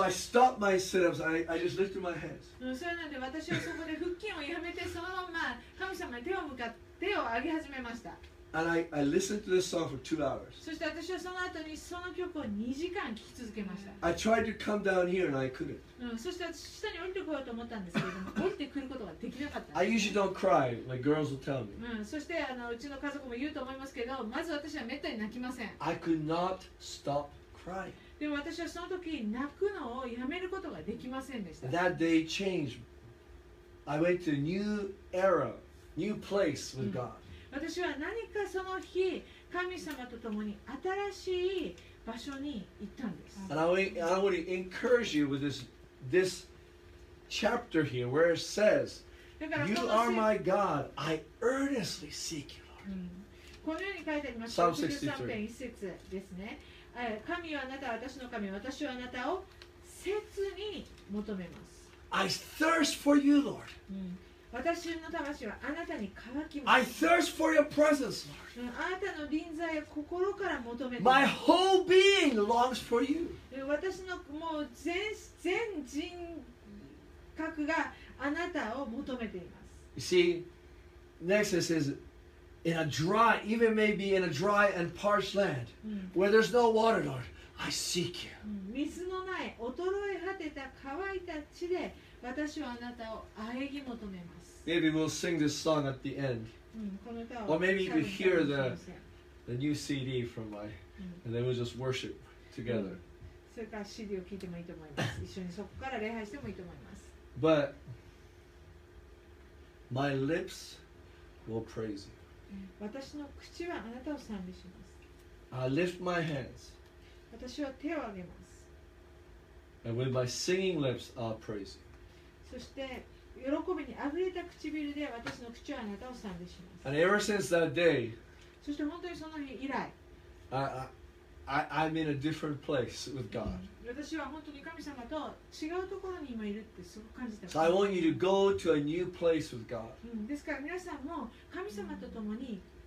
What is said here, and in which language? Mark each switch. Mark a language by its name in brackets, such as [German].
[English] So I stopped my sit-ups. I just lifted my hands. [Japanese] それなんで私はそこで腹筋をやめて、そのまま神様に手を上げ始めました。 [English] And I listened to this song for 2 hours. [Japanese] そして私はその後にその曲を2時間聴き続けました。 [English] I tried to come down here and I couldn't. [Japanese] そして私下に降りてこようと思ったんですけれども、降りてくることができなかった。 [English] I usually don't cry. My girls will tell me. [Japanese] そしてうちの家族も言うと思いますけど、まず私はめったに泣きません。 [English] I could not stop crying. [Japanese] でも私はその時泣くのをやめることができませんでした。 [English] That day changed. I went to a new era, new place with God. [Japanese] 私は何かその日神様と共に新しい場所に行ったんです。 [English] And I want to encourage you with this chapter here where it says, You are my God, I earnestly seek you, Lord. [Japanese] このように書いてあります。 Psalm 63編1節ですね。神はあなた、私の神、私はあなたを切に求めます。 [English] I thirst for you, Lord. [Japanese] 私の魂はあなたに渇きます。 [English] I thirst for your presence, Lord. [Japanese] あなたの臨在を心から求めています。 [English] My whole being longs for you. [Japanese] 私のもう全人格があなたを求めています。 [English] You see, next it says, in a dry, even maybe in a dry and parched land, where there's no water, Lord, I seek you. [Japanese] 水のない衰え果てた乾いた地で私はあなたを喘ぎ求めます。 [English] Maybe we'll sing this song at the end. Or maybe you could hear the new CD from my, and then we'll just worship together. [Japanese] それから CD を聴いてもいいと思います。一緒にそこから礼拝してもいいと思います。 [English] But my lips will praise you. [Japanese] 私の口はあなたを賛美します。 [English] I lift my hands. [Japanese] 私は手を挙げます。 [English] And with my singing lips, I'll praise you. [Japanese] そして喜びにあふれた唇で私の口はあなたを賛美します。 [English] And ever since that day, [Japanese] そして本当にその日以来、 [English] I'm in a different place with God. [Japanese] 私は本当に神様と違うところに今いるってすごく感じた。 [English] So I want you to go to a new place with God. [Japanese] ですから皆さんも神様と共に